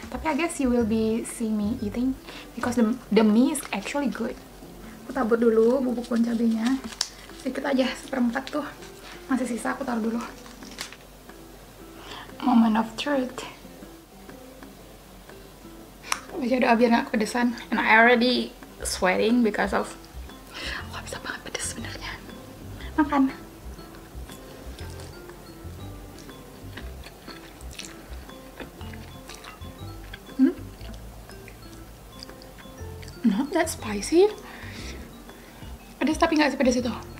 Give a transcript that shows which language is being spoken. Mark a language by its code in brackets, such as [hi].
[en] Tapi I guess you will be see me eating because the mie is actually good. [id] Aku tabur dulu bubuk bon cabenya. Sedikit aja, seperempat tuh. Masih sisa, aku taruh dulu. [en] Moment of truth. [id] Baca doa biar gak kepedesan. [en] And I already sweating because of... [id] Aku gak bisa banget pedes sebenarnya. Makan. [en] Not that spicy. [id] Pedes tapi gak sepedes itu.